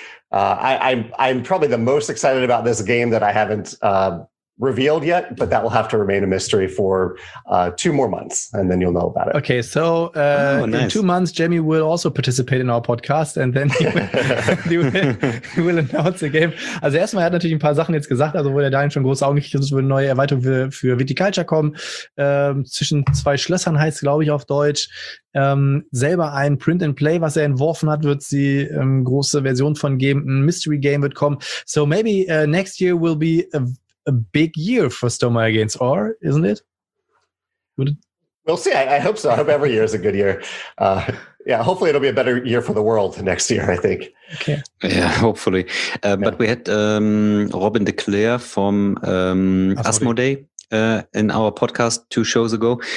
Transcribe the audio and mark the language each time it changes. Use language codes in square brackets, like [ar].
[en] I'm probably the most excited about this game that I haven't revealed yet, but that will have to remain a mystery for 2 more months, and then you'll know about it. Okay, so in 2 months, Jamie will also participate in our podcast, and then he will announce the game. [de] Also erstmal, er hat natürlich ein paar Sachen jetzt gesagt, also wo der Daniel schon große Augen gekriegt hat, wird eine neue Erweiterung für Viticulture kommen. Zwischen zwei Schlössern heißt es, glaube ich, auf Deutsch. Selber ein Print and Play, was er entworfen hat, wird sie große Version von geben. Ein Mystery Game wird kommen. [en] So maybe next year will be a big year for Stonemeyer Games, or isn't it? Would it? We'll see. I hope so. I hope every year is a good year. Yeah, hopefully it'll be a better year for the world next year, I think. Okay. Yeah, hopefully. But we had Robin DeClaire from Asmodee in our podcast 2 shows ago.